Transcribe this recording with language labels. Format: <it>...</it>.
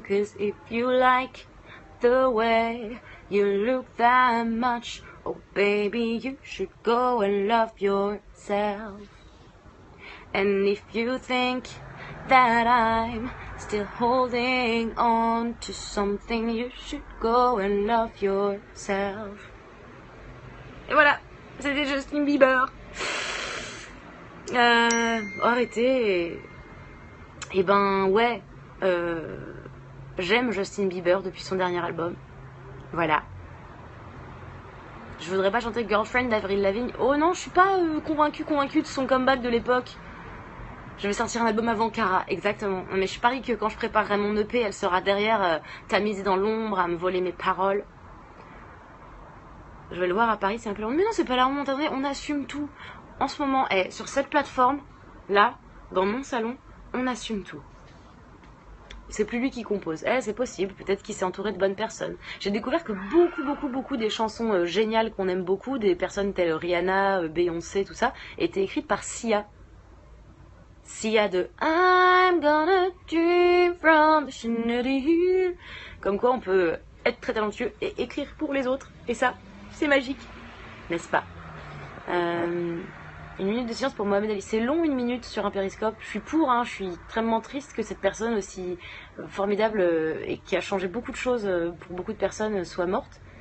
<en>Cause if you like the way you look that much, oh baby, you should go and love yourself. And if you think that I'm still holding on to something, you should go and love yourself.</en> <fr>Et voilà, c'était Justin Bieber. Arrêtez. Eh ben ouais, j'aime Justin Bieber depuis son dernier album. Voilà. Je voudrais pas chanter Girlfriend d'Avril Lavigne. Oh non, je suis pas convaincue de son comeback de l'époque. Je vais sortir un album avant Cara, exactement. Mais je parie que quand je préparerai mon EP, elle sera derrière, tamisée dans l'ombre, à me voler mes paroles. Je vais le voir à Paris, c'est un peu long. Mais non, c'est pas la honte, attendez, on assume tout. En ce moment, sur cette plateforme, là, dans mon salon, on assume tout. C'est plus lui qui compose. C'est possible, peut-être qu'il s'est entouré de bonnes personnes. J'ai découvert que beaucoup des chansons géniales qu'on aime beaucoup, des personnes telles Rihanna, Beyoncé, tout ça, étaient écrites par Sia. Sia de I'm gonna dream from the shinity. Comme quoi, on peut être très talentueux et écrire pour les autres. Et ça, c'est magique, n'est-ce pas? Une minute de silence pour Mohamed Ali. C'est long, une minute sur un périscope. Je suis pour, hein. Je suis extrêmement triste que cette personne aussi formidable et qui a changé beaucoup de choses pour beaucoup de personnes soit morte.</fr>